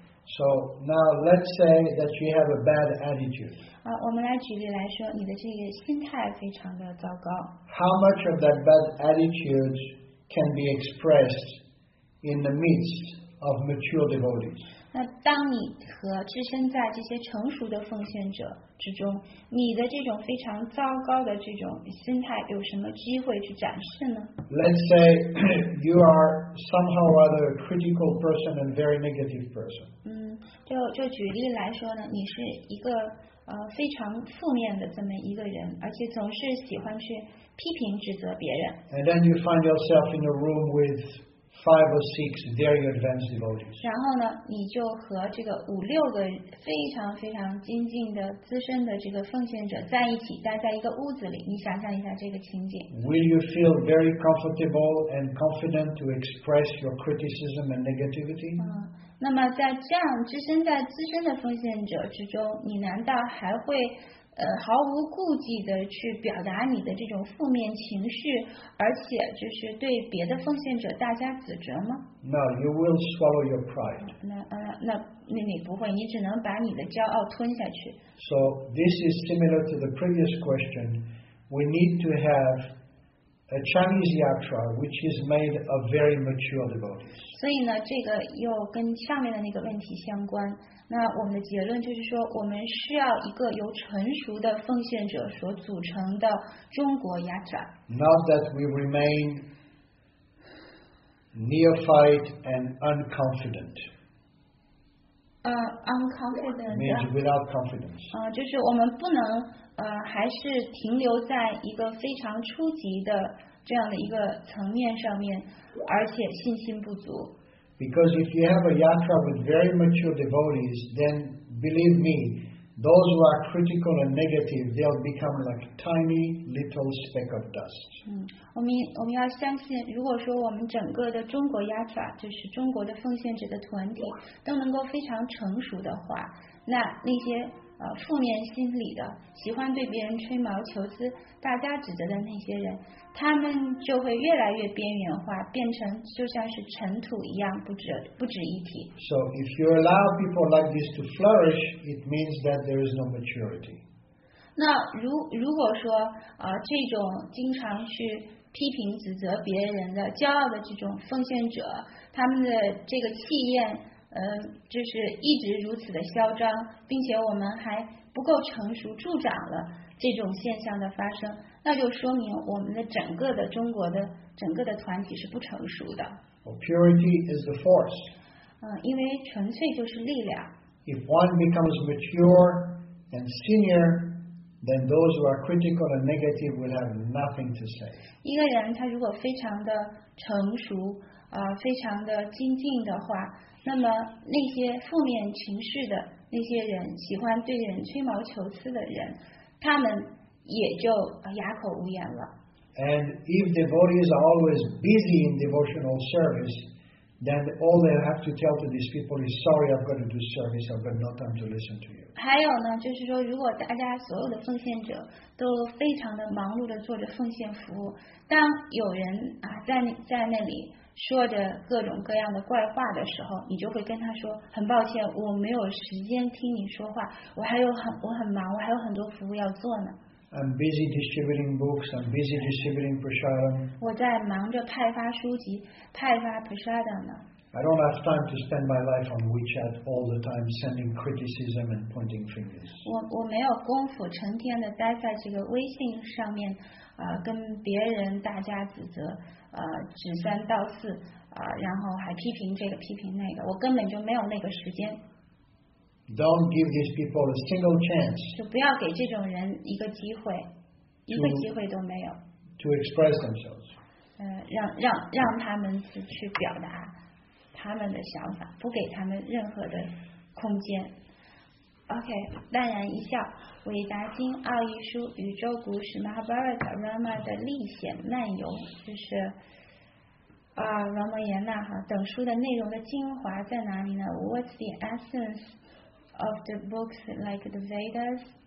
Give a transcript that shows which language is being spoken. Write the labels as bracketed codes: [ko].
[en] So now let's say that you have a bad attitude. [zh] 我们来举例来说，你的这个心态非常的糟糕。 [en] How much of that bad attitude can be expressed in the midst of mature devotees? [zh] 那当你和置身在这些成熟的奉献者之中，你的这种非常糟糕的这种心态有什么机会去展示呢？ [en] Let's say you are somehow or other a critical person and very negative person. [zh] 就举例来说呢，你是一个非常负面的这么一个人，而且总是喜欢去批评指责别人。 [en] And then you find yourself in a room with five or six very advanced devotees. [zh] 然后呢，你就和这个五六个非常非常精进的资深的这个奉献者在一起，待在一个屋子里。你想象一下这个情景。 [en] Will you feel very comfortable and confident to express your criticism and negativity? [zh] 那么在这样资深的奉献者之中，你难道还会毫无顾忌的去表达你的这种负面情绪，而且就是对别的奉献者大加指责吗？ [en] No, you will swallow your pride. [zh] 你不会，你只能把你的骄傲吞下去。 [en] So this is similar to the previous question. We need to have a Chinese yatra which is made of very mature devotees. [zh] 所以呢，这个又跟下面的那个问题相关。那我们的结论就是说，我们需要一个由成熟的奉献者所组成的中国雅扎。 [en] Not that we remain neophyte and unconfident. Unconfident means without confidence. [zh] 就是我们不能还是停留在一个非常初级的这样的一个层面上面，而且信心不足。 [en] Because if you have a yatra with very mature devotees, then believe me, those who are critical and negative, they'll become like a tiny little speck of dust. [zh] 我们要相信，如果说我们整个的中国yatra，就是中国的奉献者的团体，都能够非常成熟的话，那些负面心理的，喜欢对别人吹毛求疵、大家指责的那些人，他们就会越来越边缘化，变成就像是尘土一样不值一提。 [en] So if you allow people like this to flourish, it means that there is no maturity. [zh] 那如果说这种经常去批评指责别人的骄傲的这种奉献者，他们的这个气焰就是一直如此的嚣张，并且我们还不够成熟助长了这种现象的发生，那就说明我们的整个的中国的整个的团体是不成熟的。 [en] Well, purity is the force. [zh] 因为纯粹就是力量。 [en] If one becomes mature and senior, then those who are critical and negative will have nothing to say. [zh] 一个人他如果非常的成熟非常的精进的话，那么那些负面情绪的那些人，喜欢对人吹毛求疵的人，他们也就哑口无言了。 [en] And if devotees are always busy in devotional service, then all they have to tell to these people is, sorry, I've got to do service, I've got no time to listen to you. [zh] 还有呢, 就是说, 如果大家所有的奉献者, 都非常的忙碌地做着奉献服务, 当有人, 啊, 在那里, 说着各种各样的怪话的时候, 你就会跟他说, 很抱歉, 我没有时间听你说话, 我还有很, 我很忙, 我还有很多服务要做呢。 [en] I'm busy distributing books, I'm busy distributing prasadam. [zh] 我在忙着派发书籍, 派发prasadam呢。 [en] I don't have time to spend my life on WeChat all the time sending criticism and pointing fingers. [zh] 我没有功夫成天的待在这个微信上面, 跟别人大家指责, 指三道四, 然后还批评这个批评那个, 我根本就没有那个时间。 [en] Don't give these people a single chance. [zh] 就不要给这种人一个机会, 一个机会都没有, [en] to express themselves. [zh] 让他们去表达他们的想法, 不给他们任何的空间。 OK,淡然一笑, 伟达经奥义书宇宙古史马哈巴拉塔Rama的历险漫游, 就是, 王摩言那哈, 等书的内容的精华在哪里呢? [en] What's the essence of the books like the Vedas?